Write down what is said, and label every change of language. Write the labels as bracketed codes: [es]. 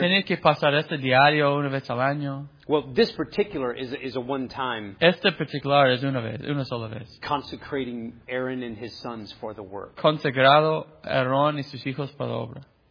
[es] Tenía que pasar este diario una vez al año. [en] Well, this particular is a one-time. [es] Este particular es una vez, una sola vez. [en] Consecrating Aaron and his sons for the work. [es] Consagrado Aarón y sus hijos para la obra.